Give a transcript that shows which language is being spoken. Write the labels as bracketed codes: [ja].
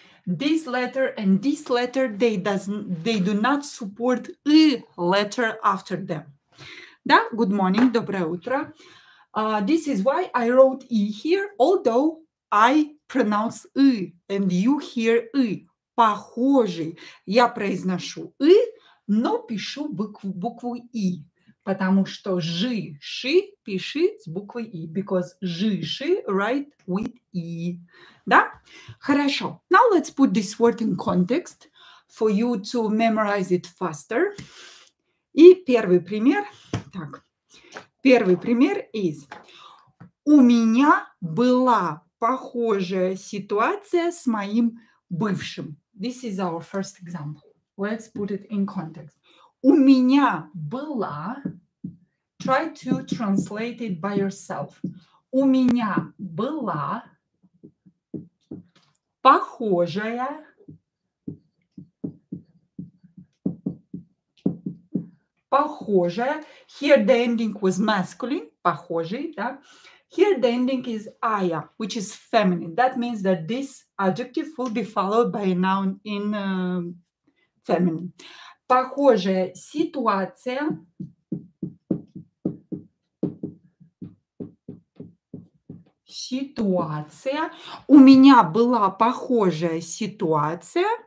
[en] This letter and this letter, they do not support «ы» letter after them. [ru] Да? [en] Good morning, [ru] доброе утро. [en] This is why I wrote «и» here, although I pronounce «ы» and you hear «ы». [ru] Похожий. Я произношу «ы», но пишу букву «и». Потому что «жи», «ши» пиши с буквой «и». [en] Because «жи», «ши» write with «и». [ru] Да? Хорошо. [en] Now let's put this word in context for you to memorize it faster. [ru] И первый пример. Так. Первый пример is. У меня была похожая ситуация с моим бывшим. [en] This is our first example. Let's put it in context. [ru] У меня была... [en] Try to translate it by yourself. [ru] У меня была похожая похожая. [en] Here the ending was masculine. [ru] Похожий, да? [en] Here the ending is ая, which is feminine. That means that this adjective will be followed by a noun in feminine. [ru] Похожая ситуация ситуация. У меня была похожая ситуация.